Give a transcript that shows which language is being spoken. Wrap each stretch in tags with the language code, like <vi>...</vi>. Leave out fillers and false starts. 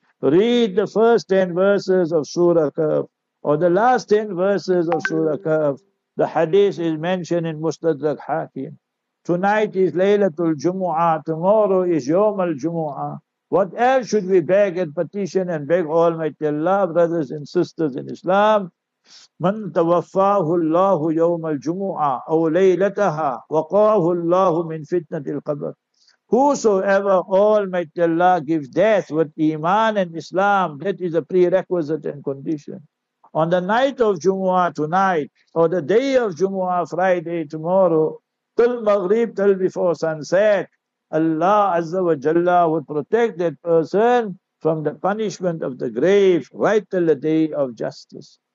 <en>Read the first 10 verses of Surah Kahf, or the last 10 verses of Surah Kahf. The Hadith is mentioned in Mustadrak Hakim. Tonight is Laylatul Jumu'ah, tomorrow is Yawm al Jumu'ah. What else should we beg and petition and beg Almighty Allah, brothers and sisters in Islam?</en> <ar>من توفاه الله يوم الجمعة أو ليلتها وقاه الله من فتنة القبر.</ar> <en>Whosoever Almighty Allah gives death with Iman and Islam, that is a prerequisite and condition. On the night of Jumu'ah tonight, or the day of Jumu'ah Friday tomorrow, till Maghrib, till before sunset, Allah Azza wa Jalla would protect that person from the punishment of the grave right till the day of justice.</en>